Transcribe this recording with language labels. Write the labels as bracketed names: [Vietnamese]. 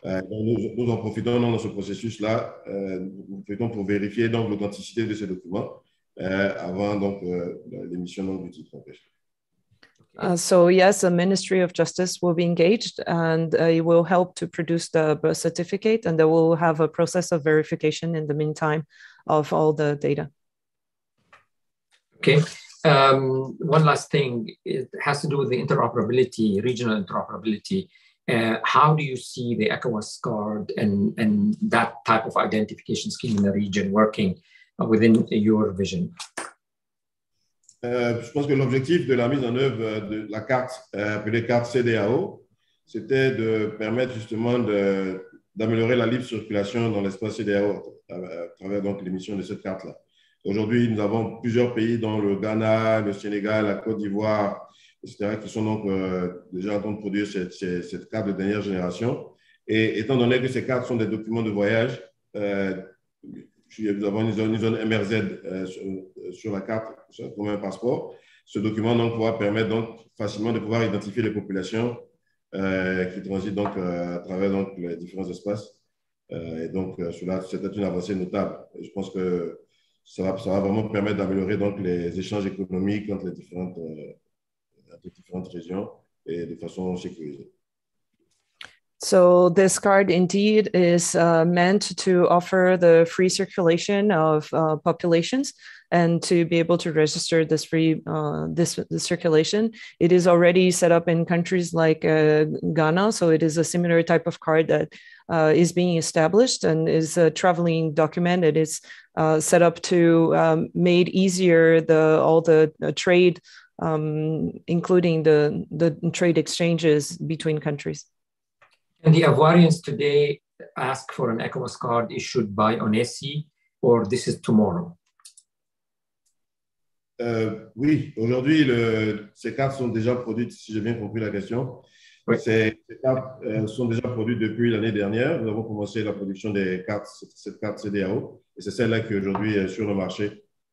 [French] Nous en profitons dans ce processus-là, nous profitons pour vérifier donc l'authenticité de ces documents avant donc l'émission du titre. [English] So yes, the Ministry of Justice will be engaged and it will help to produce the birth certificate, and they will have a process of verification in the meantime of all the data. Okay. One last thing, it has to do with the interoperability, regional interoperability. How do you see the ECOWAS card and that type of identification scheme in the region working within your vision? [French] Je pense que l'objectif de la mise en œuvre de la carte, appelée carte CDAO, c'était de permettre justement d'améliorer la libre circulation dans l'espace CDAO à travers donc l'émission de cette carte-là. Aujourd'hui, nous avons plusieurs pays dont le Ghana, le Sénégal, la Côte d'Ivoire, etc., qui sont donc déjà en train de produire cette carte de dernière génération. Et étant donné que ces cartes sont des documents de voyage, nous avons une zone MRZ sur la carte, comme un passeport. Ce document donc pourra permettre donc facilement de pouvoir identifier les populations qui transitent donc à travers donc les différents espaces. Et donc cela, c'était une avancée notable. Et je pense que ça va vraiment permettre d'améliorer donc les échanges économiques entre les différentes régions et de façon sécurisée. [English] So this card indeed is meant to offer the free circulation of populations and to be able to register this free this circulation. It is already set up in countries like Ghana. So it is a similar type of card that is being established and is a traveling document. It is set up to make easier all the trade including the trade exchanges between countries. And the Ivoirians today ask for an ECOWAS card issued by ONECI, or this is tomorrow? [French] Oui, aujourd'hui, ces cartes sont déjà produites, si j'ai bien compris la question. Oui. Ces cartes sont déjà produites depuis l'année dernière. Nous avons commencé la production des cartes, cette carte CDAO, et c'est celle-là qui aujourd'hui est sur le marché.